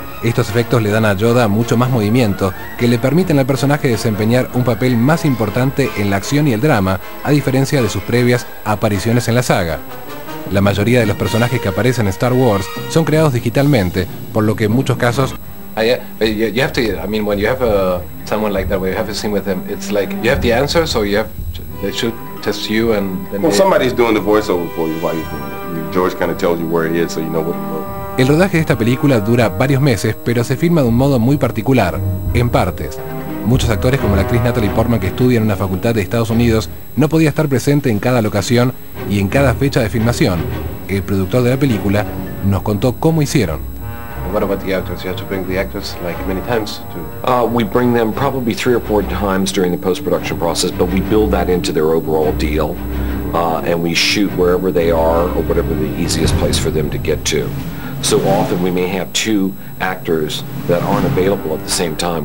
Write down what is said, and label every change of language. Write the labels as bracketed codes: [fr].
[es] Estos efectos le dan a Yoda mucho más movimiento, que le permiten al personaje desempeñar un papel más importante en la acción y el drama, a diferencia de sus previas apariciones en la saga. La mayoría de los personajes que aparecen en Star Wars son creados digitalmente, por lo que en muchos casos... [en] You have to, I mean, when you have someone like that, where you have a scene with them, it's like, you have the answers, or you have, they should test you and... Well, somebody's doing the voiceover for you while you're doing it. George kind of tells you where he is, so you know what to look. [es] El rodaje de esta película dura varios meses, pero se filma de un modo muy particular, en partes. Muchos actores, como la actriz Natalie Portman, que estudia en una facultad de Estados Unidos, no podía estar presente en cada locación y en cada fecha de filmación. El productor de la película nos contó cómo hicieron. [en] What about the actors? You have to bring the actors like many times to... We bring them probably 3 or 4 times during the post-production process, but we build that into their overall deal, and we shoot wherever they are or whatever the easiest place for them to get to. So often we may have 2 actors that aren't available at the same time.